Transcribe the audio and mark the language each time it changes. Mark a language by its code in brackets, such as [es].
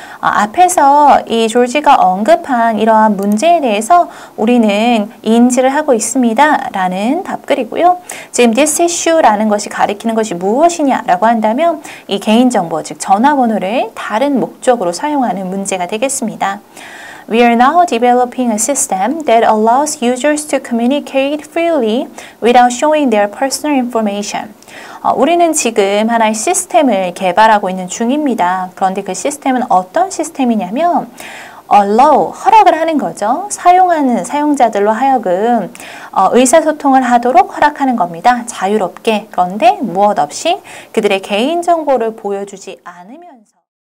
[ko] 앞에서 이 조지가 언급한 이러한 문제에 대해서 우리는 인지를 하고 있습니다라는 답글이고요. 지금 this issue 라는 것이 가리키는 것이 무엇이냐라고 한다면 이 개인정보, 즉 전화번호를 다른 목적으로 사용하는 문제가 되겠습니다. [en] We are now developing a system that allows users to communicate freely without showing their personal information. [ko] 우리는 지금 하나의 시스템을 개발하고 있는 중입니다. 그런데 그 시스템은 어떤 시스템이냐면, allow, 허락을 하는 거죠. 사용하는 사용자들로 하여금 의사소통을 하도록 허락하는 겁니다. 자유롭게. 그런데 무엇 없이 그들의 개인정보를 보여주지 않으면서.